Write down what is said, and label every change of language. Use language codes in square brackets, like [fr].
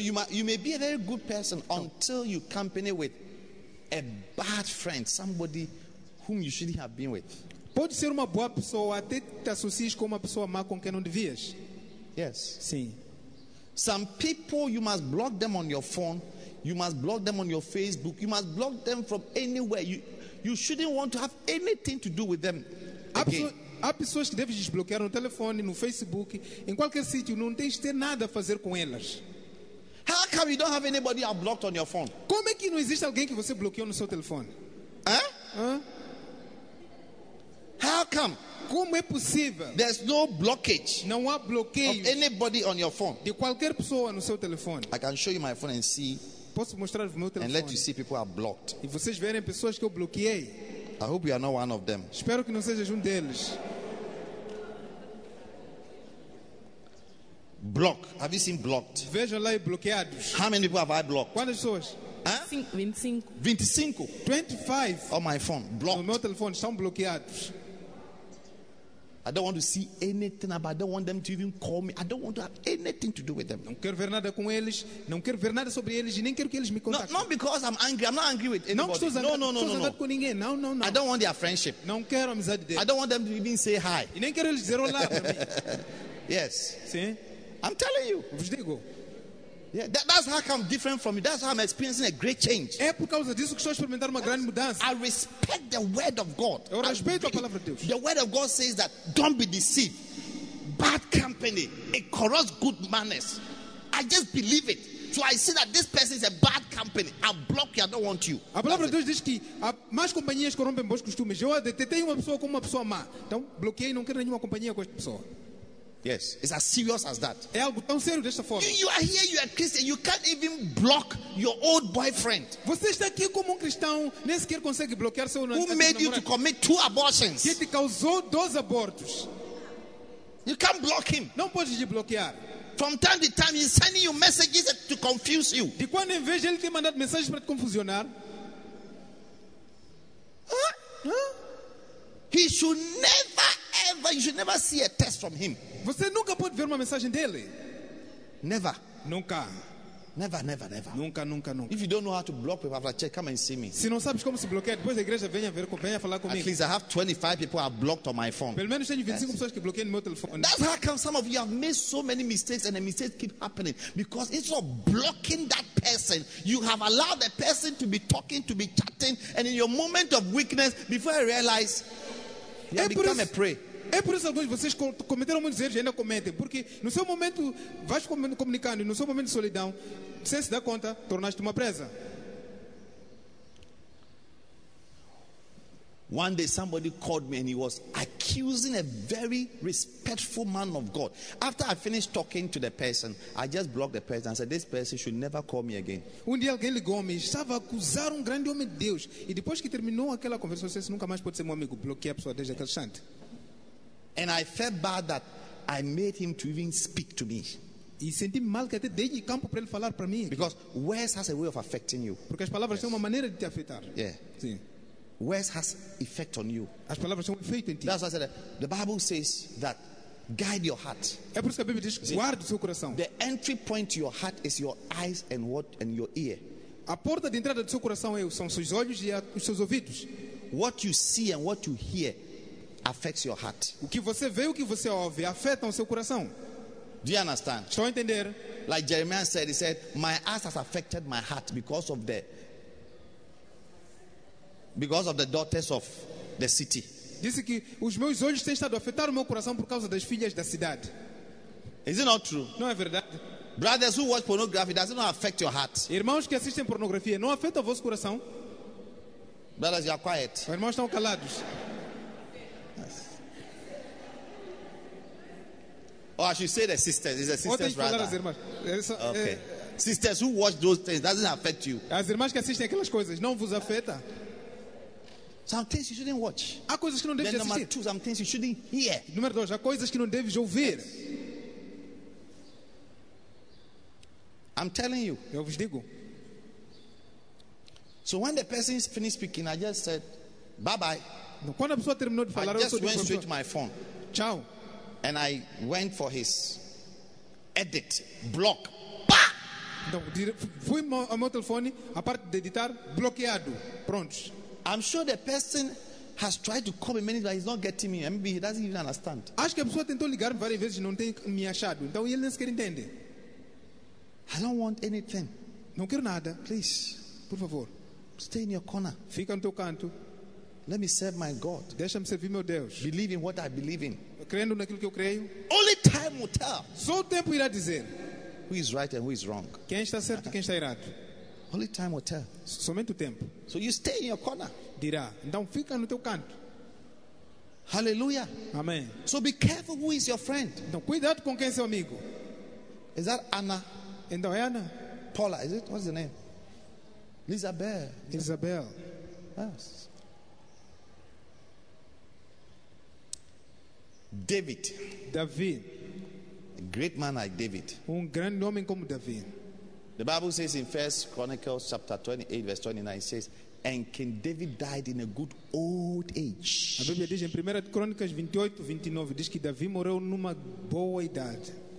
[en] So you may be a very good person until you company with a bad friend, somebody whom you shouldn't have been with. [pt] Pode ser uma boa pessoa até te associes com uma pessoa má com quem não devias. [en] Yes. [pt] Sim. [en] Some people you must block them on your phone, you must block them on your Facebook, you must block them from anywhere. You shouldn't want to have anything to do with them again. [pt] Há pessoas que deves desbloquear no telefone, no Facebook, em qualquer sítio, não tens de ter nada a fazer com elas. [en] How come you don't have anybody you blocked on your phone? [pt] Como é que não existe alguém que você bloqueou no seu telefone? [en] How come? [pt] Como é possível? [en] There's no blockage. [pt] Não há bloqueio. [en] Anybody on your phone? [pt] De qualquer pessoa no seu telefone. [en] I can show you my phone and see. [pt] Posso mostrar o meu telefone. [en] And let you see people are blocked. [pt] E vocês verem pessoas que eu bloqueei. [en] I hope you are not one of them. [pt] Espero que não sejas deles. [en] Block. Have you seen blocked? [pt] Vejam lá bloqueados. [en] How many people have I blocked? [pt] Quantas pessoas? [en] 25. On my phone, blocked. [pt] No meu telefone estão bloqueados. [en] I don't want to see anything about. I don't want them to even call me. I don't want to have anything to do with them. [pt] Não quero ver nada com eles. Não quero ver nada sobre eles e nem quero que eles me contactem. [en] Not because I'm angry. I'm not angry with anybody. [pt] Não estou zangado com ninguém. Não. [en] I don't want their friendship. [pt] Não quero amizade deles. [en] I don't want them to even say hi. [pt] E nem quero eles dizer olá para mim. [en] Yes. [pt] Sim. [en] I'm telling you. [pt] Vos digo. [en] Yeah, that's how I'm different from you. That's how I'm experiencing a great change. [pt] É por causa disso que estou a experimentar uma grande mudança. [en] I respect the word of God. [pt] Eu respeito a palavra de Deus. [en] The word of God says that don't be deceived. Bad company, it corrupts good manners. I just believe it. So I see that this person is a bad company. I block you. I don't want you. [pt] A palavra de Deus diz que há más companhias que corrompem bons costumes. Eu detetei uma pessoa como uma pessoa má. Então bloqueei, não quero nenhuma companhia com esta pessoa. [en] Yes, it's as serious as that. [pt] É algo tão sério desta forma. [en] You are here, you are Christian. You can't even block your old boyfriend. [pt] Você está aqui como cristão, nem sequer consegue bloquear seu namorado. [en] Who made you to commit two abortions? [pt] Que te causou 2 abortos? [en] You can't block him. [pt] Não pode te bloquear. [en] From time to time, he's sending you messages to confuse you. [pt] De quando em vez ele te manda mensagens para te confusionar? [en] He should never, ever. You should never see a text from him. [pt] Você nunca pode ver uma mensagem dele. [en] Never. [pt] Nunca. [en] Never, never, never. [pt] Nunca. [en] If you don't know how to block people, after church, come and see me. [pt] Se não sabes como se bloquear, depois da igreja venha falar comigo. [en] At least I have 25 people are blocked on my phone. [pt] Pelo menos tenho 25 pessoas que bloqueiam no meu telefone. [en] That's how come some of you have made so many mistakes and the mistakes keep happening because instead of blocking that person, you have allowed the person to be talking, to be chatting, and in your moment of weakness, before I realize, you have become a prey. [pt] É por isso que alguns de vocês cometeram muitos erros e ainda cometem. Porque no seu momento, vais comunicando, no seu momento de solidão, sem se dar conta, tornaste uma presa. [en] One day somebody called me and he was accusing a very respectful man of God. After I finished talking to the person, I just blocked the person and said, this person should never call me again. [pt] Um dia alguém ligou-me e estava a acusar grande homem de Deus. E depois que terminou aquela conversa, você nunca mais pode ser meu amigo. Bloqueei a pessoa desde aquele instante. [en] And I felt bad that I made him to even speak to me. [pt] E senti mal que até dei campo para ele falar para mim. [en] Because words has a way of affecting you. [pt] Porque as palavras têm uma maneira de te afetar. [en] Yeah. [pt] Sim. [en] Words has effect on you. [pt] As palavras têm efeito em ti. [en] That's why I said the Bible says that guide your heart. [pt] É por isso que a Bíblia diz guarde o seu coração. [en] The entry point to your heart is your eyes and what and your ear. [pt] A porta de entrada do seu coração são os seus olhos e os seus ouvidos. [en] What you see and what you hear affects your heart. [pt] O que você vê, o que você ouve, afeta o seu coração. [en] Do you understand? [pt] Estou a entender. [en] Like Jeremiah said, he said, my eyes has affected my heart because of the daughters of the city. [pt] Disse que os meus olhos têm estado a afetar o meu coração por causa das filhas da cidade. [en] Is it not true? [pt] Não é verdade? [en] Brothers who watch pornography, does it not affect your heart? [pt] Irmãos que assistem pornografia, não afeta o vosso coração? [en] Brothers, you are quiet. [pt] Irmãos estão calados. [en] Or I should say the sisters. It's the sisters rather. Okay. Sisters who watch those things, doesn't affect you. [pt] As irmãs que assistem aquelas coisas, não vos afeta. [en] Some things you shouldn't watch. [pt] Há coisas que não deves assistir. [en] Number two, some things you shouldn't hear. [pt] Número dois, há coisas que não deves ouvir. [en] I'm telling you. [pt] Eu vos digo. [en] So when the person is finished speaking, I just said, bye bye. [pt] Quando a pessoa terminou de falar, [en] I just went straight to my phone. [pt] Tchau. [en] And I went for his edit, block. [pt] Então, fui ao meu telefone, a parte de editar, bloqueado. Pronto. [en] I'm sure the person has tried to call me many times, but he's not getting me. Maybe he doesn't even understand. [pt] Acho que a pessoa tentou ligar várias vezes e não tem me achado. Então ele nem sequer entende. [en] I don't want anything. [pt] Não quero nada. [en] Please, [pt] por favor. [en] Stay in your corner. [pt] Fica no teu canto. [en] Let me serve my God. [pt] Deixa-me servir meu Deus. [en] Believe in what I believe in. [pt] Crendo naquilo que eu creio. [en] Only time will tell. [pt] Só o tempo irá dizer. [en] Who is right and who is wrong? [pt] Quem está certo e quem está errado? [en] Only time will tell. [pt] Somente o tempo. [en] So you stay in your corner. [pt] Dirá. Então fica no teu canto. [en] Hallelujah. [pt] Amém. [en] So be careful who is your friend. [pt] Então cuidado com quem é seu amigo. [en] Is that Anna? [pt] Então é Anna. [en] Paula, is it? What's the name? Isabel. [pt] Isabel. [en] Yes. David. [pt] David. [en] A great man like David. [pt] Grande homem como Davi. [en] The Bible says in 1 Chronicles chapter 28 verse 29 says, and King David died in a good old age. [pt] A Bíblia diz em 1 Chronicles 28, 29, diz que Davi morreu numa boa idade.